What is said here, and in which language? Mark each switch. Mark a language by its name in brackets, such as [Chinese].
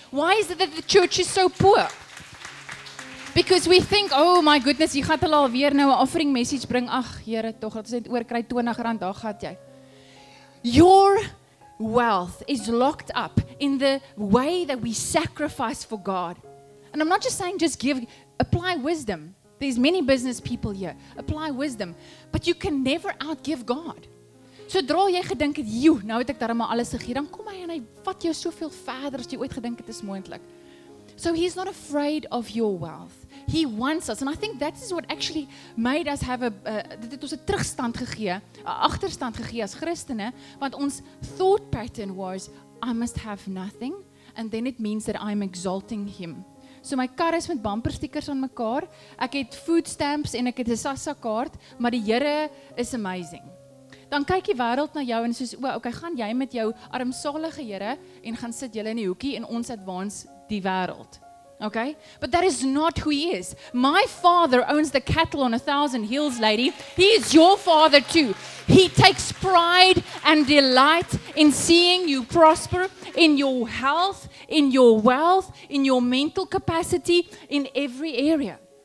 [English] Why is it that the church is so poor? Because we think, oh my goodness, [Afrikaans] jy gaat alweer nou 'n offering message bring. Ag, Here, tog, dat is net oor kry R20, daar gaat jy. [English] Your wealth is locked up in the way that we sacrifice for God. And I'm not just saying just give, apply wisdom. There's many business people here. Apply wisdom. But you can never outgive God. [Afrikaans] Sodra jy gedink het, joe, nou het ek daarmee alles gegee, dan kom hy en hy vat jou soveel verder as jy ooit gedink het is moontlik. [English] So he's not afraid of your wealth. He wants us. And I think that is what actually made us have [Afrikaans] dit het ons 'n terugstand gegee, 'n agterstand gegee as Christene, want ons [English] thought pattern was, I must have nothing, and then it means that I'm exalting him. [Afrikaans] So my kar is met bumper stickers aan mekaar. Ek het food stamps en ek het 'n Sassa kaart, maar die Here is amazing. Dan kyk die wêreld na jou en soos, "O, okay, gaan jy met jou armsalige Here en gaan sit julle in die hoekie en ons advance die wêreld." [English] Okay? But that is not who he is. My father owns the cattle on 1,000 hills, lady. He is your father too. He takes pride and delight in seeing you prosper in your health, in your wealth, in your mental capacity, in every area.